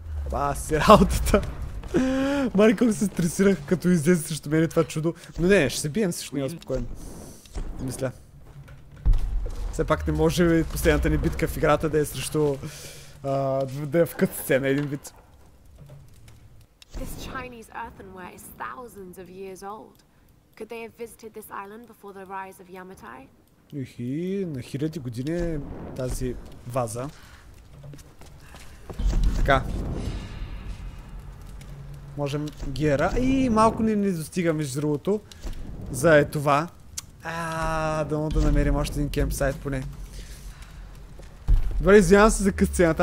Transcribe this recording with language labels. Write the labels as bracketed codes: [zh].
[bg] Ба, си работата. Мари, колко се стресирах, като излезе срещу мен това чудо. Но не, ще се бием срещу него спокойно. Мисля. Все пак не може последната ни битка в играта да е срещу... да е в кът сцена един вид. [en] This Chinese earthenware is thousands of years old. Could they have visited this island before the rise of Yamatai? [bg] Ухи, на хиляди години тази ваза. Така. Можем гера. И малко ни не достига между другото. За е това. Дано да намерим още един кемпсайт поне. Добре, извинявам се за късцената.